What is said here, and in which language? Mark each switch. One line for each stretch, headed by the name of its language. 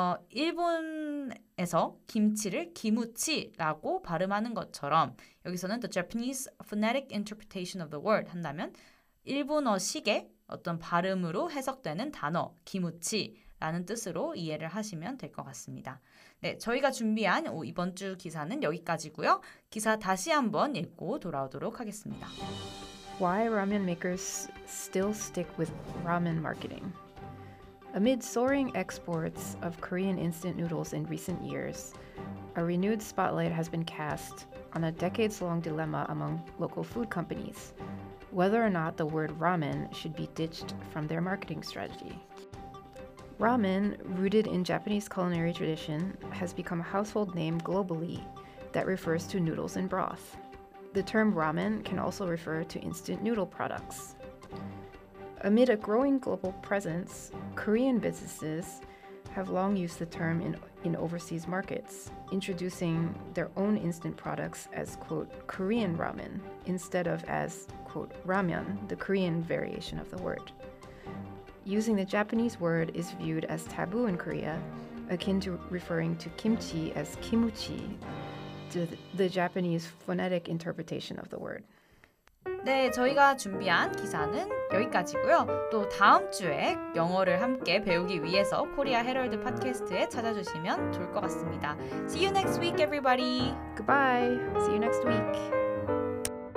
Korean: 일본에서 김치를 김우치라고 발음하는 것처럼 여기서는
English: the Japanese phonetic interpretation of the word
Korean: 한다면 일본어식의 어떤 발음으로 해석되는 단어 김우치라는 뜻으로 이해를 하시면 될 것 같습니다. 네, 저희가 준비한 이번 주 기사는 여기까지고요. 기사 다시 한번 읽고 돌아오도록 하겠습니다.
English: Why ramen makers still stick with ramen marketing? Amid soaring exports of Korean instant noodles in recent years, a renewed spotlight has been cast on a decades-long dilemma among local food companies, whether or not the word ramen should be ditched from their marketing strategy. Ramen, rooted in Japanese culinary tradition, has become a household name globally that refers to noodles and broth. The term ramen can also refer to instant noodle products. Amid a growing global presence, Korean businesses have long used the term in overseas markets, introducing their own instant products as, quote, Korean ramen, instead of as, quote, ramyeon, the Korean variation of the word. Using the Japanese word is viewed as taboo in Korea, akin to referring to kimchi as kimuchi, the Japanese phonetic interpretation of the word.
Korean: 네, 저희가 준비한 기사는 여기까지고요. 또 다음 주에 영어를 함께 배우기 위해서 코리아 헤럴드 팟캐스트에 찾아주시면 좋을 것 같습니다.
English: See you next week, everybody. Goodbye. See you next week.